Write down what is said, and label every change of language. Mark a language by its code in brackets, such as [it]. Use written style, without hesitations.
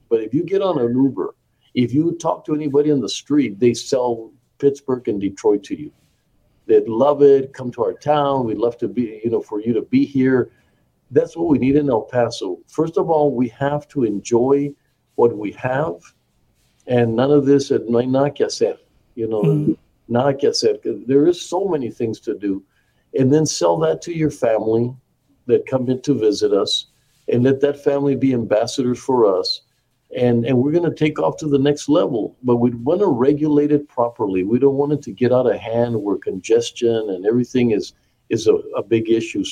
[en] But if you get on an Uber, if you talk to anybody on the street, they sell Pittsburgh and Detroit to you. They'd love it. Come to our town. We'd love to be, you know, for you to be here. That's what we need in El Paso. First of all, we have to enjoy what we have. And none of this, [es] no hay nada que hacer, [en] you know, [es] nada que hacer. [en] There is so many things to do. And then sell that to your family that come in to visit us and let that family be ambassadors for us. And we're going to take off to the next level. But we want to regulate it properly. We don't want it to get out of hand where congestion and everything is a big issue.